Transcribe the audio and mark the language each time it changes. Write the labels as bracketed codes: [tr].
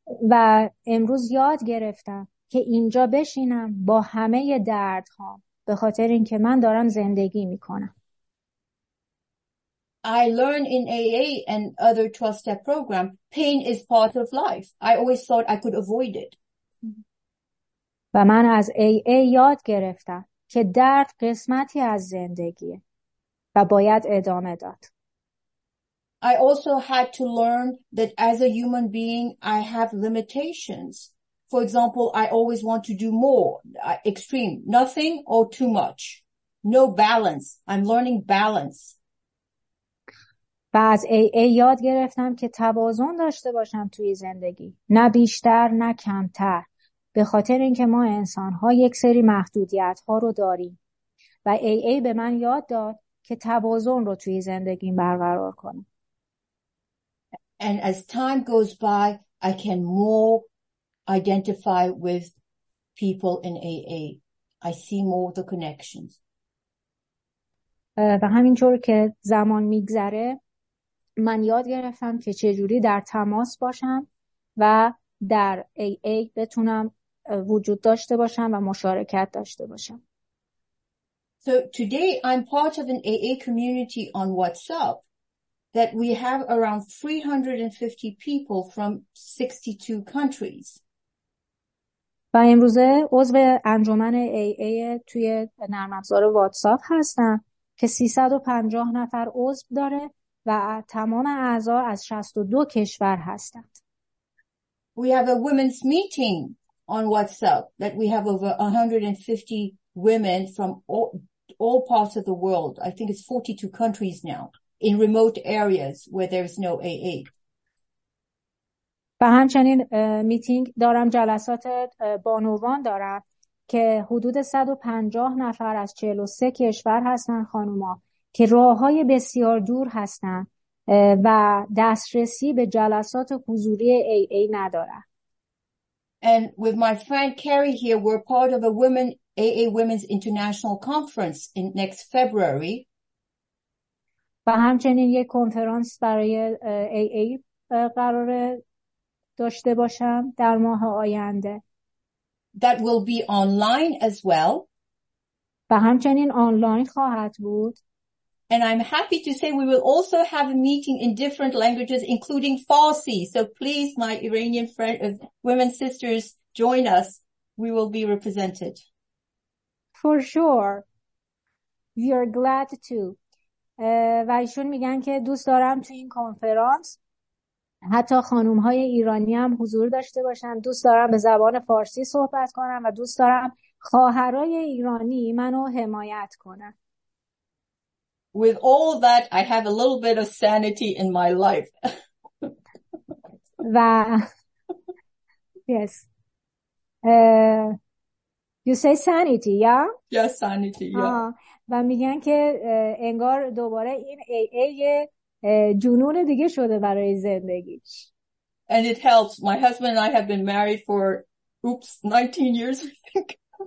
[fa] و امروز یاد گرفتم که اینجا بشینم با همه دردها به خاطر اینکه من دارم زندگی میکنم. [en] I learn in AA and other 12 step program, pain is part of life. I always thought I could avoid it. [fa] و من از AA یاد گرفتم که درد قسمتی از زندگیه و باید ادامه داد. [en] I also had to learn that as a human being, I have limitations. For example, I always want to do more, extreme, nothing or too much. No balance. I'm learning balance. [fa] و از AA یاد گرفتم که توازن داشته باشم توی زندگی. نه بیشتر، نه کمتر. به خاطر اینکه ما انسان‌ها یک سری محدودیت‌ها رو داریم. و AA به من یاد داد که توازن رو توی زندگی برقرار کنم. [en] And as time goes by, I can more identify with people in AA. I see more the connections. [fa] و همینجور که زمان میگذره من یاد گرفتم که چجوری در تماس باشم و در AA بتونم وجود داشته باشم و مشارکت داشته باشم. [en] So today I'm part of an AA community on WhatsApp that we have around 350 people from 62 countries. [fa] و امروزه عضو انجمن AA توی نرم افزار واتساپ هستم که 350 نفر عضو داره و تمام اعضا از 62 کشور هستند. [en] We have a women's meeting on WhatsApp that we have over 150 women from all parts of the world. I think it's 42 countries now in remote areas where there's no AA. [fa] و همچنین میتینگ دارم، جلسات بانوان دارم که حدود 150 نفر از 43 کشور هستن خانوما که راه های بسیار دور هستن و دسترسی به جلسات حضوری AA ندارن. [en] And with my friend Carrie here, we're part of a women AA Women's International Conference in next February. [fa] و همچنین یک کنفرانس برای AA قراره داشته باشم در ماه آینده. [en] That will be online as well. [fa] و همچنین آنلاین خواهد بود. [en] And I'm happy to say we will also have a meeting in different languages, including Farsi. So please, my Iranian friend, women sisters, join us. We will be represented. For sure. We are glad to. [fa] و ایشون میگن که دوست دارم تو این کنفرانس حتی خانوم های ایرانی هم حضور داشته باشن. دوست دارم به زبان فارسی صحبت کنم و دوست دارم خواهرای ایرانی منو حمایت کنن. [en] With all that, I have a little bit of sanity in my life. و yes. You say sanity, yeah? Yes, sanity, yeah. [fa] و میگن که انگار دوباره این AA جنون دیگه شده برای زندگیش. [en] And it helps. My husband and I have been married for, 19 years, I think.